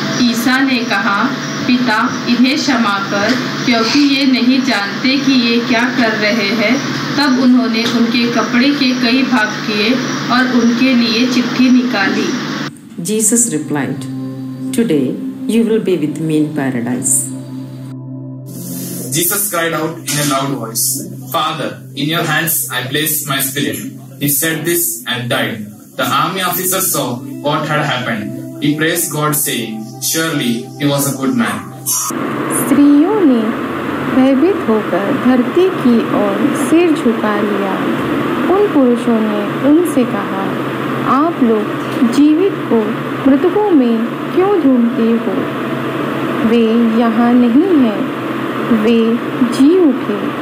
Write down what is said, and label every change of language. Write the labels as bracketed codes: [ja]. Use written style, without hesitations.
[hi] ईसा ने कहा, पिता इन्हें क्षमा कर, क्योंकि ये नहीं जानते कि ये क्या कर रहे हैं। तब उन्होंने उनके कपड़े के कई भाग किए और उनके लिए चिट्ठी निकाली। [en] Jesus replied, today you will be with me in paradise. Jesus cried out in a loud voice, Father, in your hands I place my spirit. He said this and died. The army officer saw what had happened. He praised God saying, Surely he was a good man. [hi] स्त्रियों ने भयभीत होकर धरती की ओर सिर झुका लिया। उन पुरुषों ने उनसे कहा, आप लोग जीवित को मृतकों में क्यों ढूंढते हो? वे यहाँ नहीं हैं। वे जी उठे।